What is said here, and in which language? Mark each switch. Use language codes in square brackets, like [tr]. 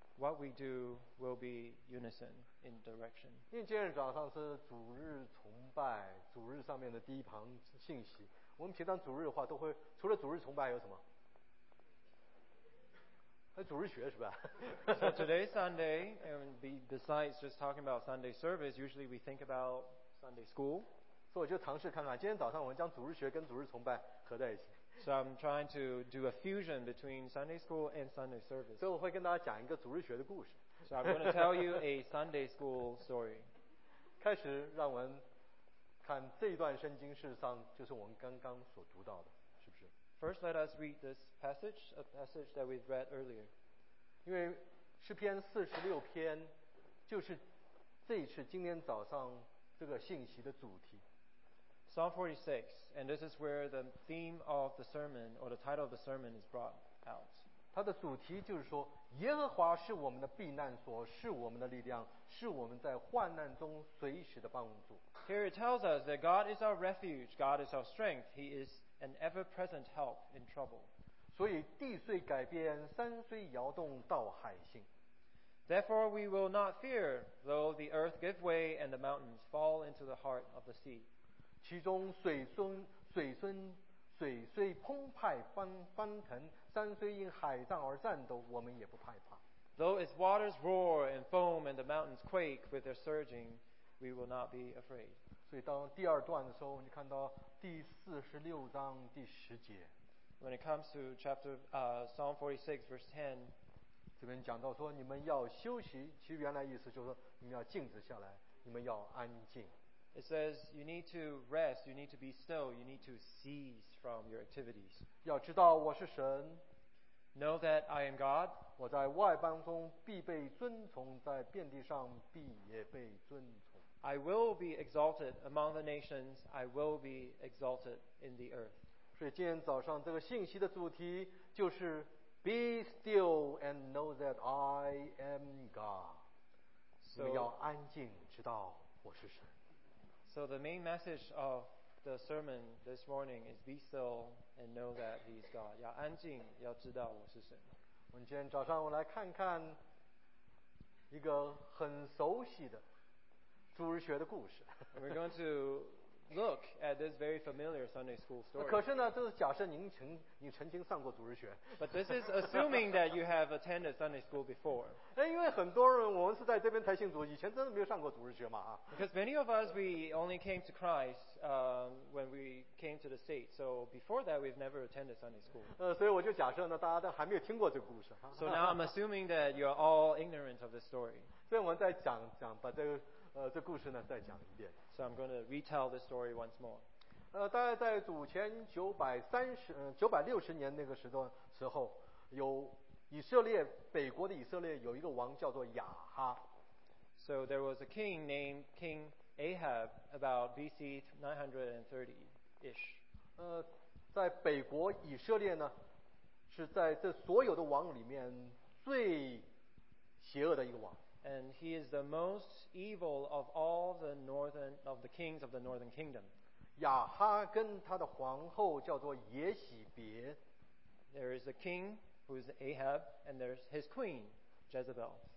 [en] What we do will be unison in direction. [zh] 因为今天早上是主日崇拜，主日上面的第一旁信息。我们平常主日的话都会，除了主日崇拜有什么？主日学是吧？ [en] So today is Sunday, and besides just talking about Sunday service, usually we think about Sunday school. [zh] 所以我就尝试看看，今天早上我们将主日学跟主日崇拜合在一起。 [en] So I'm trying to do a fusion between Sunday school and Sunday service. [zh] 所以我会跟大家讲一个主日学的故事。 [en] So I'm going to tell you a Sunday school story. [zh] 开始让我们看这一段圣经，事实上就是我们刚刚所读到的。 [en] First, let us read this passage, a passage that we've read earlier. [zh] 因为诗篇四十六篇就是这一次今天早上这个信息的主题。 [en] Psalm 46, and this is where the theme of the sermon or the title of the sermon is brought out. [zh] 它的主题就是说，耶和华是我们的避难所，是我们的力量，是我们在患难中随时的帮助。 [en] Here it tells us that God is our refuge, God is our strength, He is an ever-present help in trouble. [zh] 所以地虽改变，山虽摇动，到海兴。 [en] Therefore we will not fear, though the earth give way and the mountains fall into the heart of the sea. [zh] 其中水虽澎湃翻腾，山虽因海涨而颤抖，我们也不害怕。 [en] Though its waters roar and foam and the mountains quake with their surging, we will not be afraid. [zh] 所以当第二段的时候，你看到第四十六章第十节。 [en] When it comes to Psalm 46, verse 10, [zh] 这边讲到说你们要休息，其实原来意思就是说你们要静止下来，你们要安静。 [en] It says you need to rest, you need to be still, you need to cease from your activities. [zh] 要知道我是神。 [en] Know that I am God. [zh] 我在外邦中必被尊崇，在遍地上必也被尊崇。 [en] I will be exalted among the nations. I will be exalted in the earth. [zh] 所以今天早上这个信息的主题就是 [en] Be still and know that I am God. [zh] 你们要安静，知道我是神。 [en] So the main message of the sermon this morning is be still and know that He is God. [zh] 要安静，要知道我是神。我们今天早上我来看看一个很熟悉的主日学的故事。 [en] We're going to look at this very familiar Sunday school story. [zh] 可是呢，这是假设您曾经上过主日学。 [en] But this is assuming that you have attended Sunday school before. [zh] 因为很多人，我们是在这边才信主，以前真的没有上过主日学嘛。 [en] Because many of us, we only came to Christ, when we came to the state. So before that, we've never attended Sunday school. [zh] 所以我就假设呢，大家都还没有听过这个故事。 [en] So now I'm assuming that you're all ignorant of the story. [zh] 所以我们再讲把这个。这故事呢再讲一遍。 [en] So I'm going to retell the story once more. [zh] 大概在主前960年那个时候，有以色列北国的以色列有一个王叫做亚哈。 [en] So there was a king named King Ahab about BC 930-ish. [zh] 在北国以色列呢，是在这所有的王里面最邪恶的一个王。 [en] And he is the most evil of all the northern of the kings of the northern kingdom. [zh] 亚哈跟他的皇后叫做耶洗别。 [en] There is a king who is Ahab, and there's his queen, Jezebel.